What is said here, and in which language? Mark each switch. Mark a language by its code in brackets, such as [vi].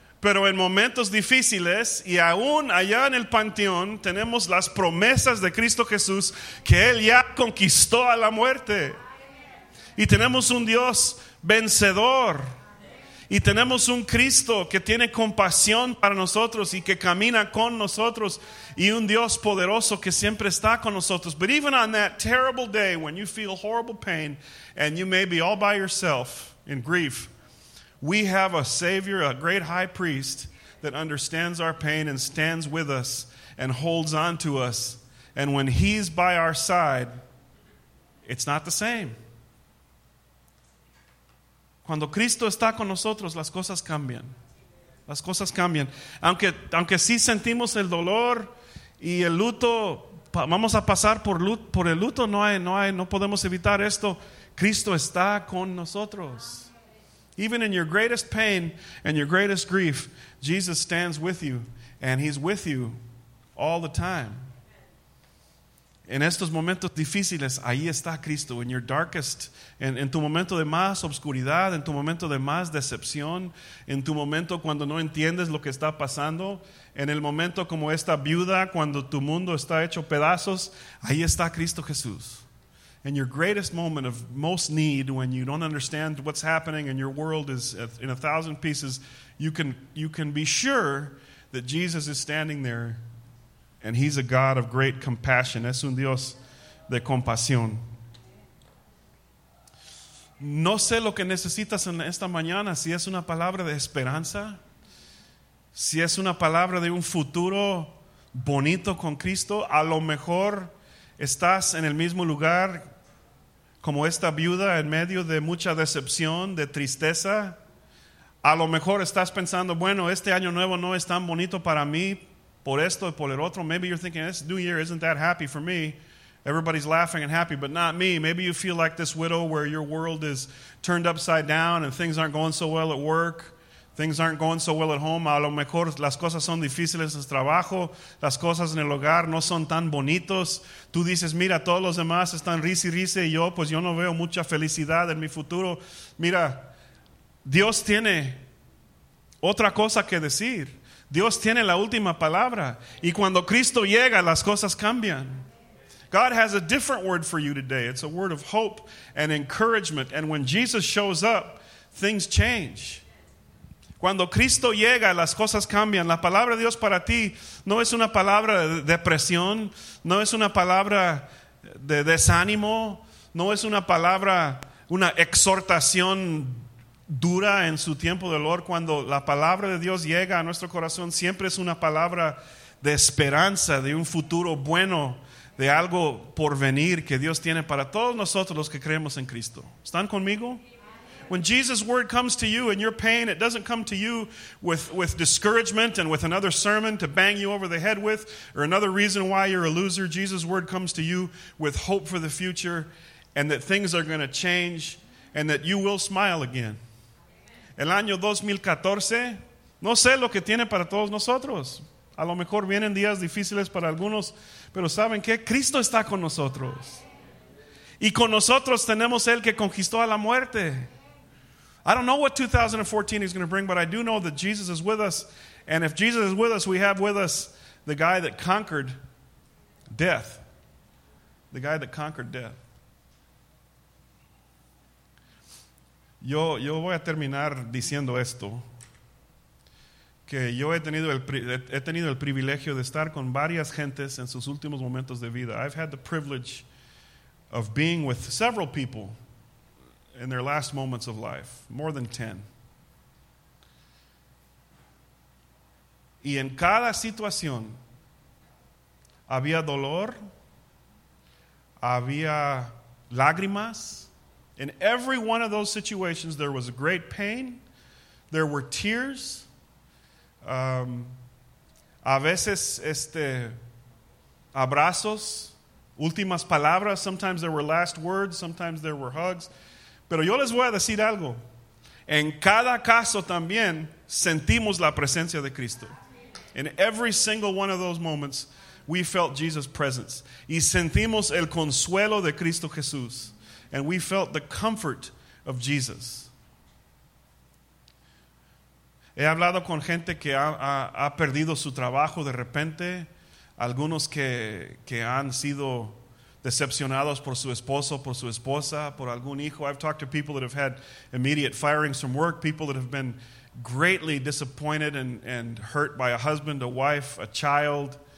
[es] Pero en momentos difíciles y aún allá en el panteón tenemos las promesas de Cristo Jesús que Él ya conquistó a la muerte. Y tenemos un Dios vencedor. Y tenemos un Cristo que tiene compasión para nosotros y que camina con nosotros. Y un Dios poderoso que siempre está con nosotros. [en] But even on that terrible day when you feel horrible pain and you may be all by yourself in grief, we have a Savior, a great high priest that understands our pain and stands with us and holds on to us. And when He's by our side, it's not the same. [es] Cuando Cristo está con nosotros, las cosas cambian. Las cosas cambian. Aunque sí sentimos el dolor y el luto, vamos a pasar por el luto, no podemos evitar esto. Cristo está con nosotros. [en] Even in your greatest pain and your greatest grief, Jesus stands with you, and He's with you all the time. [es] En estos momentos difíciles, ahí está Cristo. [en] In your darkest, [es] en tu momento de más obscuridad, en tu momento de más decepción, en tu momento cuando no entiendes lo que está pasando, en el momento como esta viuda, cuando tu mundo está hecho pedazos, ahí está Cristo Jesús. [en] In your greatest moment of most need, when you don't understand what's happening and your world is in 1,000 pieces, you can be sure that Jesus is standing there, and He's a God of great compassion. [es] Es un Dios de compasión. No sé lo que necesitas en esta mañana, si es una palabra de esperanza, si es una palabra de un futuro bonito con Cristo. A lo mejor estás en el mismo lugar como esta viuda en medio de mucha decepción, de tristeza. A lo mejor estás pensando, bueno, este año nuevo no es tan bonito para mí por esto y por el otro. [en] Maybe you're thinking, this new year isn't that happy for me. Everybody's laughing and happy, but not me. Maybe you feel like this widow where your world is turned upside down and things aren't going so well at work. Things aren't going so well at home. [es] A lo mejor las cosas son difíciles en el trabajo. Las cosas en el hogar no son tan bonitos. Tú dices, mira, todos los demás están risi risi. Y yo, pues yo no veo mucha felicidad en mi futuro. Mira, Dios tiene otra cosa que decir. Dios tiene la última palabra. Y cuando Cristo llega, las cosas cambian. [en] God has a different word for you today. It's a word of hope and encouragement. And when Jesus shows up, things change. [es] Cuando Cristo llega, las cosas cambian. La palabra de Dios para ti no es una palabra de depresión, no es una palabra de desánimo, no es una palabra, una exhortación dura en su tiempo de dolor. Cuando la palabra de Dios llega a nuestro corazón, siempre es una palabra de esperanza, de un futuro bueno, de algo por venir que Dios tiene para todos nosotros los que creemos en Cristo. ¿Están conmigo? [en] When Jesus' word comes to you in your pain, it doesn't come to you with discouragement and with another sermon to bang you over the head with or another reason why you're a loser. Jesus' word comes to you with hope for the future and that things are going to change and that you will smile again. [es] El año 2014, no sé lo que tiene para todos nosotros. A lo mejor vienen días difíciles para algunos, pero ¿saben qué? Cristo está con nosotros. Y con nosotros tenemos el que conquistó a la muerte. [en] I don't know what 2014 is going to bring, but I do know that Jesus is with us. And if Jesus is with us, we have with us the guy that conquered death. The guy that conquered death. [es] Yo voy a terminar diciendo esto. Que yo he tenido el privilegio de estar con varias gentes en sus últimos momentos de vida. [en] I've had the privilege of being with several people in their last moments of life, more than 10. [es] Y en cada situación había dolor, había lágrimas. [en] In every one of those situations, there was great pain, there were tears. [es] A veces abrazos, últimas palabras, [en] sometimes there were last words, sometimes there were hugs. [es] Pero yo les voy a decir algo. En cada caso también sentimos la presencia de Cristo. [en] In every single one of those moments, we felt Jesus' presence. [es] Y sentimos el consuelo de Cristo Jesús. [en] And we felt the comfort of Jesus. [es] He hablado con gente que ha perdido su trabajo de repente, algunos que han sido decepcionados por su esposo, por su esposa, por algún hijo. [en] I've talked to people that have had immediate firings from work, people that have been greatly disappointed and hurt by a husband, a wife, a child.